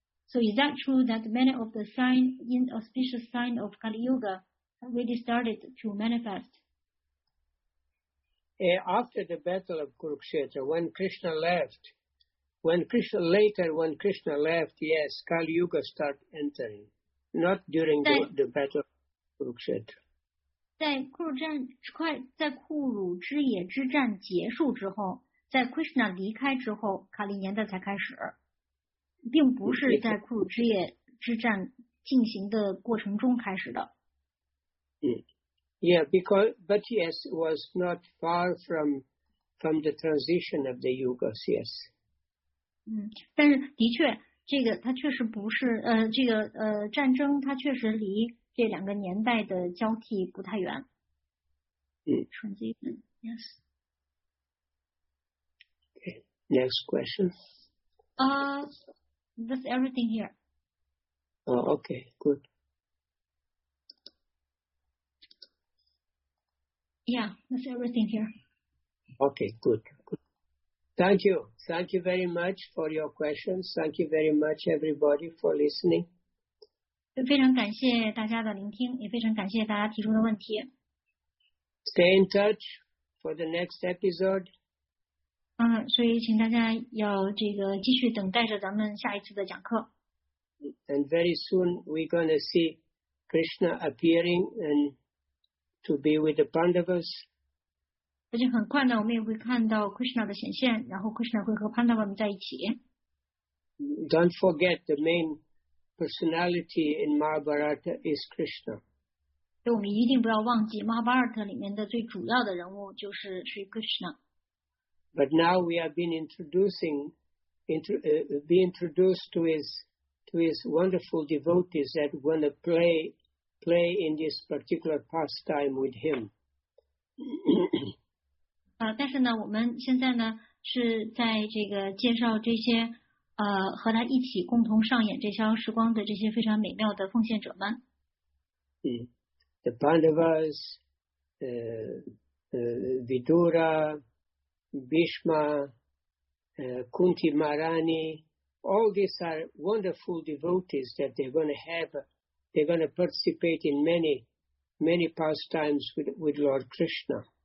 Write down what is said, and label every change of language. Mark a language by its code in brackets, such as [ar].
[en] So is that true that many of the sign, inauspicious sign of Kali Yuga already started to manifest? After the battle of Kurukshetra, when Krishna left, yes, Kali Yuga started entering, not during the battle of Kurukshetra. [zh] 在库鲁之野之战结束之后在 Krishna 离开之后卡利年代才开始并不是在库鲁之野之战进行的过程中开始的。 [en] Yeah, because, but yes, it was not far from the transition of the yugas, yes. [zh] 但是的确这个它确实不是这个战争它确实离这两个年代的交替不太远。 [en] Transition, yes. Next question. That's everything here. Oh, okay, good. Yeah, that's everything here. Okay, good. Thank you. Thank you very much for your questions. Thank you very much, everybody, for listening. [zh] 非常感谢大家的聆听，也非常感谢大家提出的问题。 [en] Stay in touch for the next episode. [zh] 所以请大家要这个继续等待着咱们下一次的讲课。 [en] And very soon we're going to see Krishna appearing and to be with the Pandavas. [zh] 而且很快呢，我们也会看到 Krishna 的显现，然后 Krishna 会和 Pandava 们在一起。 [en] Don't forget the main personality in Mahabharata is Krishna. [zh] 所以我们一定不要忘记 Mahabharata 里面的最主要的人物就是 Sri Krishna. [en] But now we have been introduced to his wonderful devotees that want to play in this particular pastime with him. [zh] 但是呢，我们现在呢是在这个介绍这些和他一起共同上演这宵时光的这些非常美妙的奉献者们。 [en] The Pandavas, Vidura, Bhishma, Kunti Maharani, all these are wonderful devotees that they're going to participate in many, many pastimes with Lord Krishna.